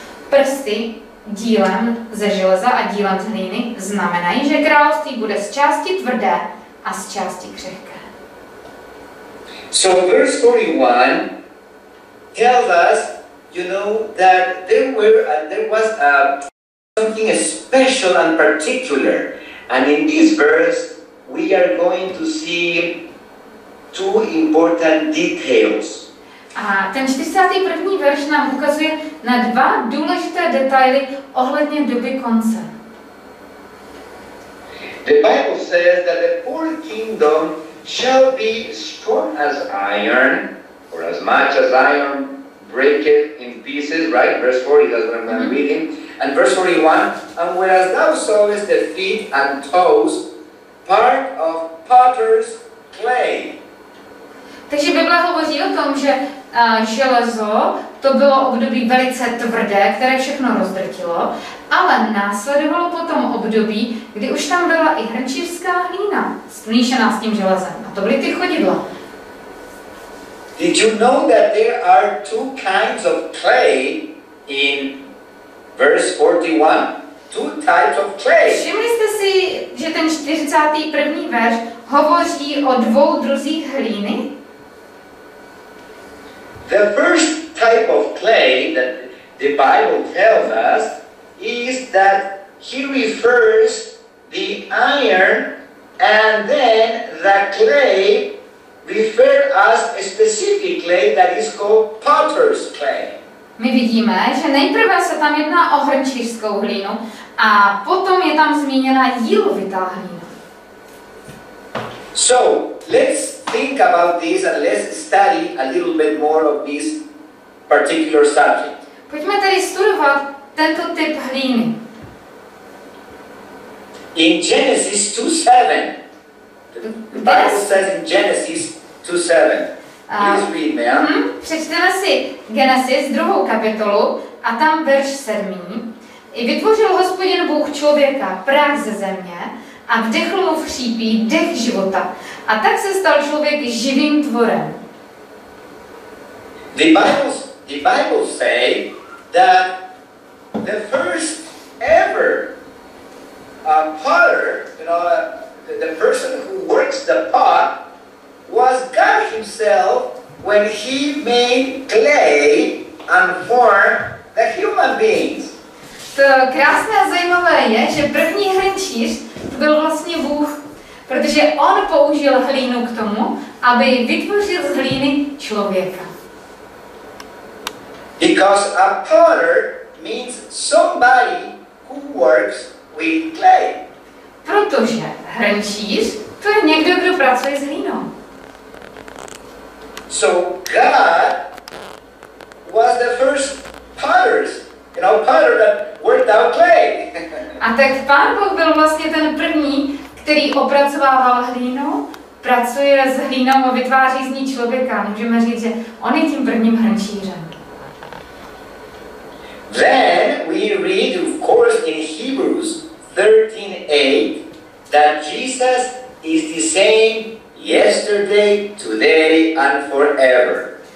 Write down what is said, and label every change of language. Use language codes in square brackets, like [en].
[cs] Prsty dílem ze železa a dílem z hlíny znamenají, že království bude z části tvrdé a z části křehké. [en] So verse 41 tells us, you know, that there was something special and particular. And in this verse, we are going to see two important details. [cs] A ten 41. verš nám ukazuje na dva důležité detaily ohledně doby konce. [en] The Bible says that the four kingdom shall be strong as iron, or as much as iron break it in pieces, right? Verse 40, that's what I'm going to read in. And verse 41, and whereas thou sawest the feet and toes, part of potter's clay. [cs] Takže Bible hovoří o tom, že železo, to bylo období velice tvrdé, které všechno rozdrtilo, ale následovalo potom období, kdy už tam byla i hrnčířská hlína smíšená s tím železem. A to byly ty chodidla. [en] Did you know that there are two kinds of clay in verse 41? Two types of clay. [cs] Všimli jste si, že ten 41. verš hovoří o dvou druzích hlíny? [en] The first type of clay that the Bible tells us is that he refers the iron and then the clay refer us specifically that is called potter's clay. [cs] My vidíme, že nejprve se tam jedná o hrnčířskou hlínu a potom je tam zmíněna jílovitá hlína. [en] So, let's think about this and let's study a little bit more of this particular subject. [cs] Pojďme tedy studovat tento typ hlíny. [en] In Genesis 2:7, the Bible says in Genesis 2:7. Please read, ma'am. [cs] Přečteme si Genesis 2. kapitolu a tam verš 7. I vytvořil Hospodin Bůh člověka prach ze země a vdechl mu v chřípí dech života. A tak se stal člověk živým tvorem. [en] The Bible say that the first ever potter, you know, the person who works the pot was God himself when he made clay and formed the human beings. [cs] To krásné a zajímavé je, že první hrnčíř to byl vlastně Bůh, protože on použil hlínu k tomu, aby vytvořil z hlíny člověka. [en] Because a potter means somebody who works with clay. [cs] Protože hrnčíř to je někdo, kdo pracuje s hlínou. [en] So God was the first potters, you know, potter that worked out clay. [cs] A tak Pán Bůh byl vlastně ten první, který opracovával hlínu, pracuje s hlínou a vytváří z ní člověka. Můžeme říct, že on je tím prvním hrnčířem. [en] Then we read, of course, in Hebrews 13:8 that Jesus is the same yesterday, today and forever.